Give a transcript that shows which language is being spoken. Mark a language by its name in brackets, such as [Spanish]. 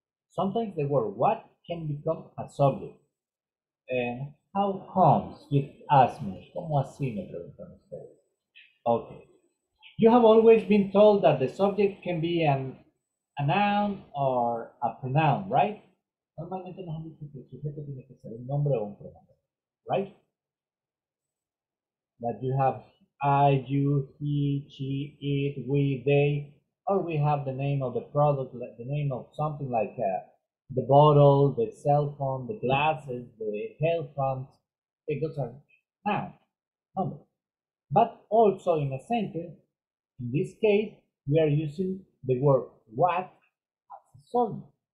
[English] Sometimes the word what can become a subject. And how comes? You ask me, [Spanish] ¿cómo así me preguntan ustedes? Okay. [English] You have always been told that the subject can be a noun or a pronoun, right? [Spanish] Normalmente nos han dicho que el sujeto tiene que ser un nombre o un pronombre, [English] right? That you have I, you, he, she, it, we, they, or we have the name of the product, like the name of something like the bottle, the cell phone, the glasses, the headphones. It goes on now, number. But also in a sentence, in this case, we are using the word what as a subject.